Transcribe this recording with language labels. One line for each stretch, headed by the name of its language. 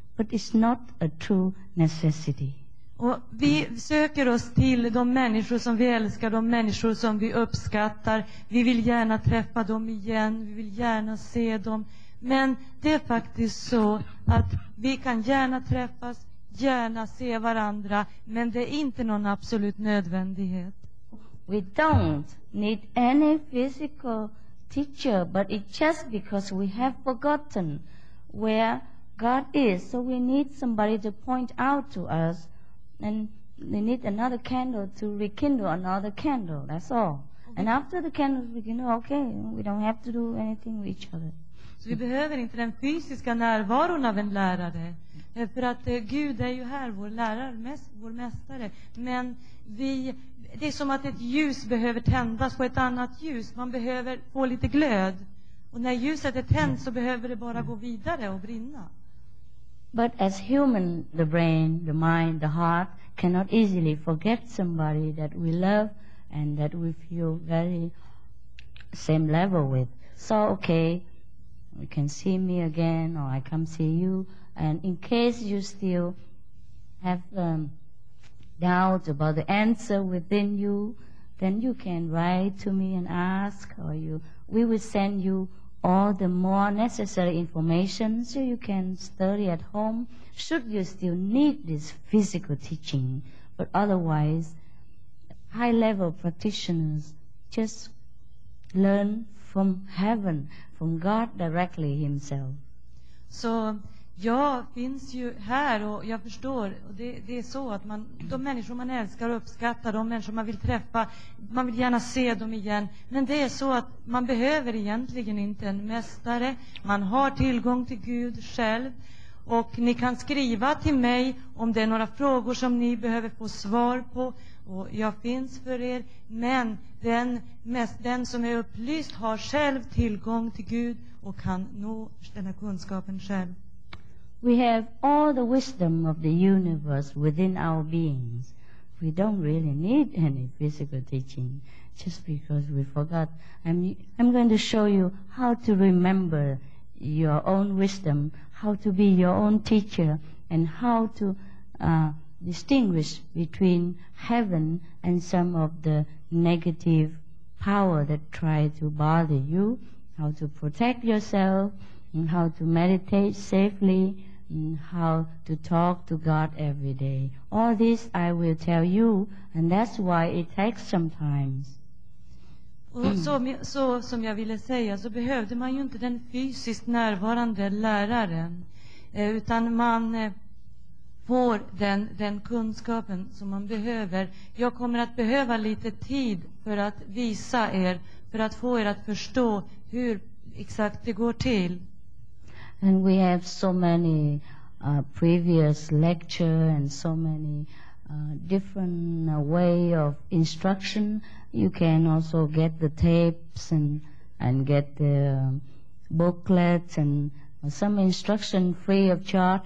English: But it's not a true necessity.
Swedish: Och vi söker oss till de människor som vi älskar, de människor som vi uppskattar. Vi vill gärna träffa dem igen, vi vill gärna se dem. Men det är faktiskt så att vi kan gärna träffas, gärna se varandra, men det är inte någon absolut nödvändighet.
English: We don't need any physical teacher, but it's just because we have forgotten where God is, so we need somebody to point out to us, and we need another candle to rekindle another candle, that's all. Okay. And after the candle rekindle, okay, we don't have to do anything with each other.
Swedish: Så vi behöver inte den fysiska närvaron av en lärare, för att Gud är ju här, vår lärare, vår mästare. Men vi, det är som att ett ljus behöver tändas på ett annat ljus. Man behöver få lite glöd, och när ljuset är tänt så behöver det bara gå vidare och brinna.
English: But as human, the brain, the mind, the heart cannot easily forget somebody that we love and that we feel very same level with. So, okay, you can see me again, or I come see you. And in case you still have doubt about the answer within you, then you can write to me and ask, or we will send you all the more necessary information so you can study at home, should you still need this physical teaching. But otherwise, high level practitioners just learn from heaven, from God directly himself.
Swedish: Så jag finns ju här, och jag förstår, och det är så att man, de människor man älskar och uppskattar, de människor man vill träffa, man vill gärna se dem igen. Men det är så att man behöver egentligen inte en mästare. Man har tillgång till Gud själv, och ni kan skriva till mig om det är några frågor som ni behöver få svar på, och jag finns för er. Men den som är upplyst har själv tillgång till Gud och kan nå den här kunskapen själv.
English: We have all the wisdom of the universe within our beings. We don't really need any physical teaching, just because we forgot. I'm going to show you how to remember your own wisdom, how to be your own teacher, and how to distinguish between heaven and some of the negative power that try to bother you, how to protect yourself, and how to meditate safely, how to talk to God every day. All this I will tell you, and that's why it takes some time.
Swedish: Och så som jag ville säga, så behövde man ju inte den fysiskt närvarande läraren, utan man får den kunskapen som man behöver. Jag kommer att behöva lite tid för att visa er, för att få er att förstå hur exakt det går till.
English: And we have so many previous lecture and so many different way of instruction. You can also get the tapes and get the booklets and some instruction free of charge.